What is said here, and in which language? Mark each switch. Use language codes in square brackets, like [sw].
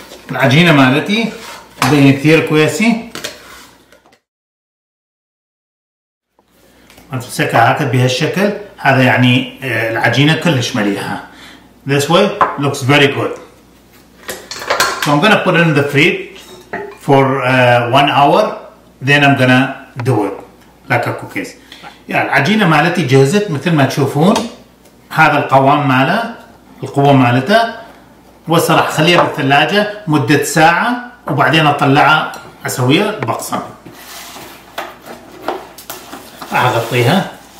[ar] العجينة مالتي بين كثير كويسي. أمسكها هكذا بهالشكل، هذا يعني العجينة كلش مليحة. [en] This way looks very good. So I'm gonna put it in the fridge for 1 hour. Then I'm gonna do it like a cookies. [ar] Yeah, العجينة مالتي جهزت مثل ما تشوفون. هذا القوام ماله، القوة مالته. وصراحة خليها بالثلاجة مدة ساعة وبعدين أطلعها أسويها بقسم. راح أغطيها.